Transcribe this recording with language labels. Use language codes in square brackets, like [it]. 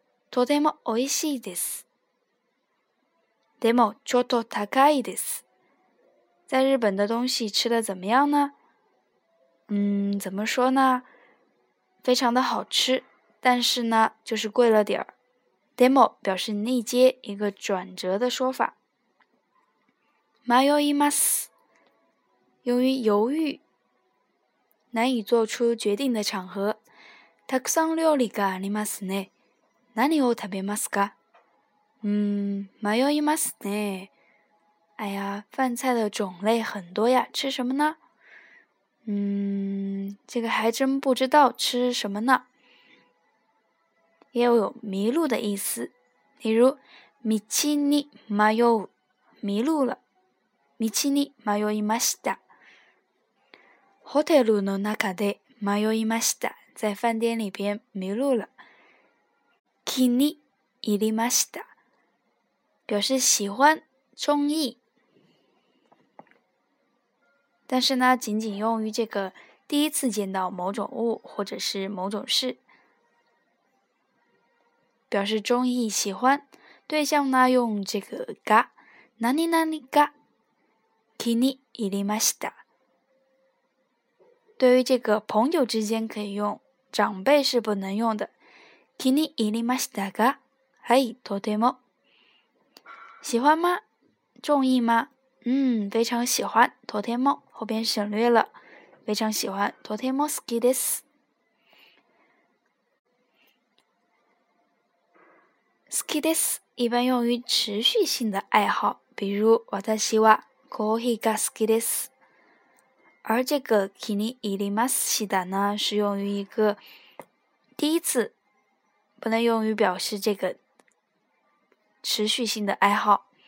[ja] とてもおいしいです。でもちょっと高いです。 [zh] 在日本的东西吃的怎么样呢？怎么说呢？非常的好吃，但是呢，就是贵了点儿。でも表示逆接，一个转折的说法。迷います，由于犹豫，难以做出决定的场合。 [ja] たくさん料理がありますね。何を食べますか？迷いますね。 [zh] 哎呀，饭菜的种类很多呀，吃什么呢？这个还真不知道吃什么呢。也有迷路的意思，比如 [ja] 道に迷う， [zh] 迷路了。 [ja] 道に迷いました。ホテルの中で迷いました， [zh] 在饭店里边迷路了。 [ja] 気に入りました。 [zh] 表示喜欢、中意，但是呢，仅仅用于这个第一次见到某种物或者是某种事。表示中意、喜欢，对象呢用这个が、何々が、気に入りました。对于这个朋友之间可以用，长辈是不能用的。 [ja] 気に入りましたが、はい、とても。 [zh] 喜欢吗？中意吗？非常喜欢。とても后边省略了，非常喜欢。 [ja] とても好きです。 [zh] 好きです一般用于持续性的爱好，比如 [ja] 私はコーヒーが好きです。 [zh] 而这个気に入りました呢，是用于一个第一次，不能用于表示这个持续性的爱好。